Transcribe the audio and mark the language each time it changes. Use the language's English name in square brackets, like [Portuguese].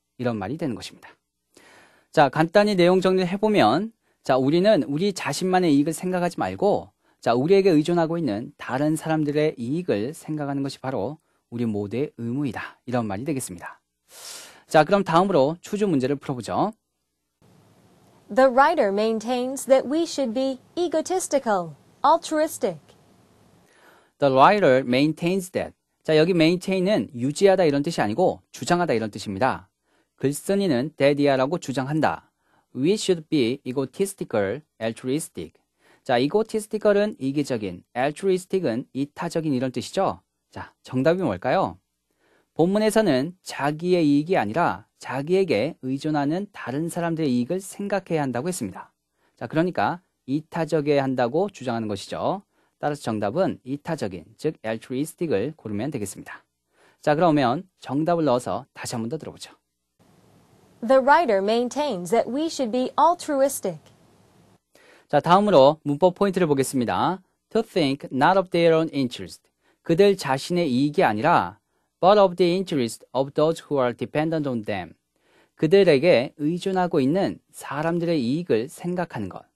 [Korean] 이런 말이 되는 것입니다. 자, 간단히 내용 정리를 해보면 자, 우리는 우리 자신만의 이익을 생각하지 말고 자, 우리에게 의존하고 있는 다른 사람들의 이익을 생각하는 것이 바로 우리 모두의 의무이다. 이런 말이 되겠습니다. 자, 그럼 다음으로 추주 문제를 풀어보죠. [English] The writer maintains that we should be egotistical, altruistic. The writer maintains that. [Korean] 자, 여기 maintain은 유지하다 이런 뜻이 아니고 주장하다 이런 뜻입니다. 글쓴이는 that이야라고 주장한다. [English] We should be egotistical, altruistic. [Korean] 자, egotistical은 이기적인, altruistic은 이타적인 이런 뜻이죠. 자, 정답이 뭘까요? 본문에서는 자기의 이익이 아니라 자기에게 의존하는 다른 사람들의 이익을 생각해야 한다고 했습니다. 자, 그러니까 이타적이어야 한다고 주장하는 것이죠. 따라서 정답은 이타적인, 즉 altruistic을 고르면 되겠습니다. 자, 그러면 정답을 넣어서 다시 한 번 더 들어보죠. [English] The writer maintains that we should be altruistic. [Korean] 자, 다음으로 문법 포인트를 보겠습니다. [English] To think not of their own interest. [Korean] 그들 자신의 이익이 아니라 [English] but of the interest of those who are dependent on them. [Korean] 그들에게 의존하고 있는 사람들의 이익을 생각하는 것.